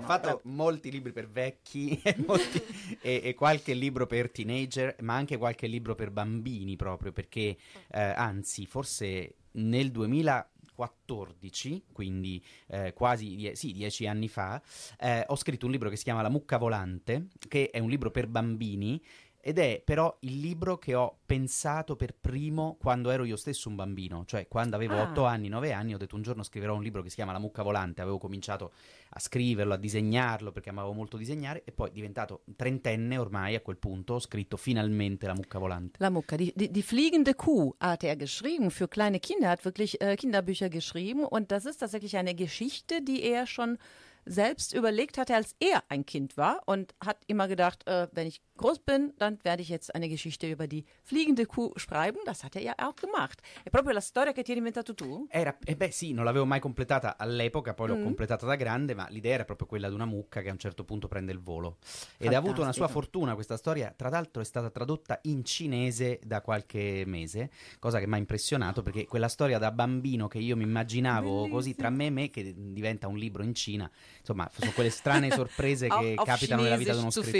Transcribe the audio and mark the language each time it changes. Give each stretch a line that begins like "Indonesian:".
Italian: Ho fatto molti libri per vecchi molti, e qualche libro per teenager, ma anche qualche libro per bambini proprio, perché anzi, forse nel 2014, quindi quasi dieci anni fa, ho scritto un libro che si chiama La mucca volante, che è un libro per bambini, ed è però il libro che ho pensato per primo quando ero io stesso un bambino, cioè quando avevo 8 anni, 9 anni, ho detto un giorno scriverò un libro che si chiama La mucca volante. Avevo cominciato a scriverlo, a disegnarlo, perché amavo molto disegnare, e poi diventato trentenne ormai a quel punto ho scritto finalmente La mucca volante.
German: La mucca, die fliegende Kuh hat er geschrieben für kleine Kinder, hat wirklich Kinderbücher geschrieben, und das ist tatsächlich eine Geschichte, die er schon selbst überlegt hatte, als er ein Kind war, und hat immer gedacht, wenn ich groß bin, dann werde ich jetzt eine Geschichte über die fliegende Kuh schreiben. Das hat er ja auch gemacht.
Italian: È proprio la storia che ti hai inventato tu? Era, beh sì, non l'avevo mai completata all'epoca, poi l'ho completata da grande, ma l'idea era proprio quella di una mucca che a un certo punto prende il volo. Fantastico. Ed ha avuto una sua fortuna questa storia. Tra l'altro è stata tradotta in cinese da qualche mese, cosa che mi ha impressionato, perché quella storia da bambino che io mi immaginavo così tra me e me, che diventa un libro in Cina, insomma, sono quelle strane sorprese che capitano nella vita di uno scrittore.